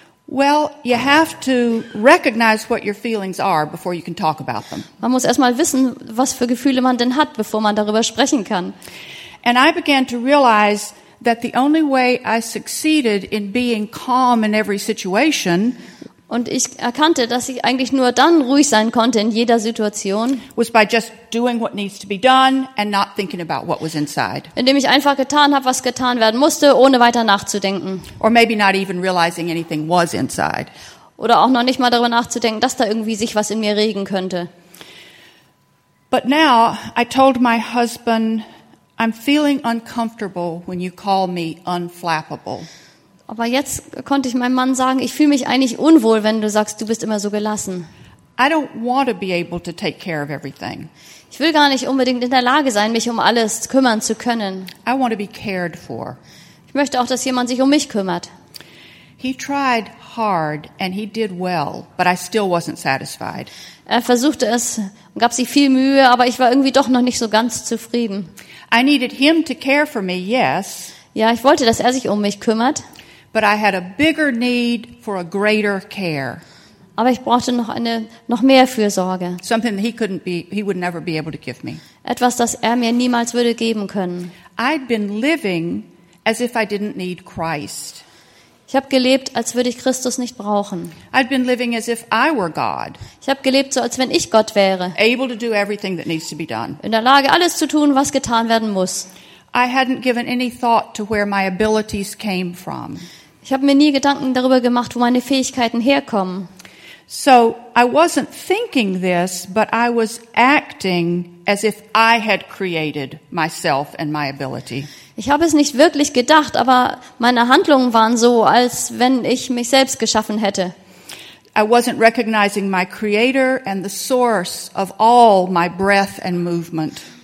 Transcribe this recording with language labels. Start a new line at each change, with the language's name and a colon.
English: Well, you have to recognize what your feelings are before you can talk about them.
German: Man muss erstmal wissen, was für Gefühle man denn hat, bevor man darüber sprechen kann.
English: And I began to realize that the only way I succeeded in being calm in every situation
German: Und ich erkannte, dass ich eigentlich nur dann ruhig sein konnte in jeder Situation.
English: Was by just doing what needs to be done and not thinking about what was inside.
German: Indem ich einfach getan habe, was getan werden musste, ohne weiter nachzudenken.
English: Or maybe not even realizing anything was inside.
German: Oder auch noch nicht mal darüber nachzudenken, dass da irgendwie sich was in mir regen könnte.
English: But now I told my husband, I'm feeling uncomfortable when you call me unflappable.
German: Aber jetzt konnte ich meinem Mann sagen, ich fühle mich eigentlich unwohl, wenn du sagst, du bist immer so gelassen.
English: I don't want to be able to take care of everything.
German: Ich will gar nicht unbedingt in der Lage sein, mich um alles kümmern zu können.
English: I want to be cared for.
German: Ich möchte auch, dass jemand sich um mich kümmert.
English: He tried hard and he did well, but I still wasn't satisfied.
German: Er versuchte es und gab sich viel Mühe, aber ich war irgendwie doch noch nicht so ganz zufrieden.
English: I needed him to care for me, yes.
German: Ja, ich wollte, dass er sich um mich kümmert.
English: But I had a bigger need for a greater care.
German: Aber ich brauchte noch mehr Fürsorge.
English: Something that he would never be able to give me.
German: Etwas, das er mir niemals würde geben können.
English: I'd been living as if I didn't need Christ.
German: Ich habe gelebt, als würde ich Christus nicht brauchen.
English: I'd been living as if I were God.
German: Ich habe gelebt, so als wenn ich Gott wäre.
English: Able to do everything that needs to be done.
German: In der Lage, alles zu tun, was getan werden muss.
English: I hadn't given any thought to where my abilities came from.
German: Ich habe mir nie Gedanken darüber gemacht, wo meine Fähigkeiten herkommen.
English: So I wasn't thinking this, but I was acting as if I had created myself and my ability.
German: Ich habe es nicht wirklich gedacht, aber meine Handlungen waren so, als wenn ich mich selbst geschaffen hätte.
English: I wasn't recognizing my creator and the source of all my breath and movement.